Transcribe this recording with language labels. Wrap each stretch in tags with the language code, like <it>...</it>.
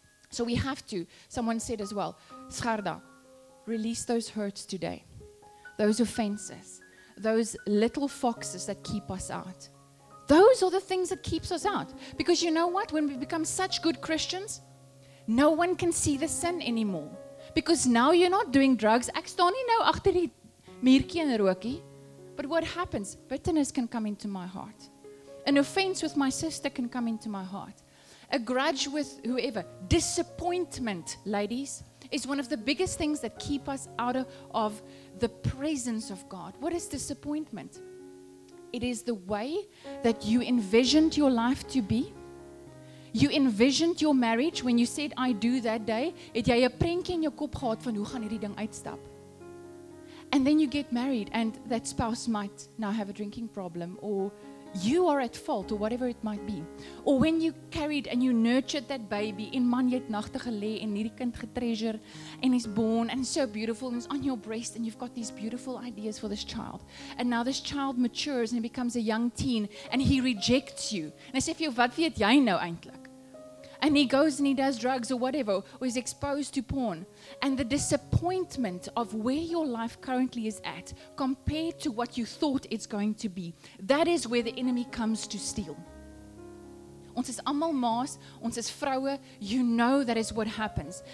<en>So we have to, someone said as well, Scharda, release those hurts today. Those offenses. Those little foxes that keep us out. Those are the things that keeps us out. Because you know what? When we become such good Christians, no one can see the sin anymore. Because now you're not doing drugs.</en> <af>Ek staan nie nou agter die muurtjie en rookie.</af> <en>But what happens? Bitterness can come into my heart. An offense with my sister can come into my heart. A grudge with whoever. Disappointment, ladies, is one of the biggest things that keep us out of the presence of God. What is disappointment? It is the way that you envisioned your life to be. You envisioned your marriage when you said, I do that day.</en> <af>Het jy 'n prentjie in jou kop gehad van hoe gaan hierdie ding uitstap?</af> <en>And then you get married and that spouse might now have a drinking problem or you are at fault or whatever it might be. Or when you carried and you nurtured that baby</en> <af>in man jy het nagte gelê en hierdie kind getreasure</af> <en>and he's born and so beautiful and he's on your breast and you've got these beautiful ideas for this child. And now this child matures and he becomes a young teen and he rejects you. And I say,</en> <af>wat weet jy nou eintlik?</af> <en>And he goes and he does drugs or whatever, or is exposed to porn. And the disappointment of where your life currently is at compared to what you thought it's going to be, that is where the enemy comes to steal.</en> <af>Ons is almal maas, ons is vroue,</af> <en>you know that is what happens.</en>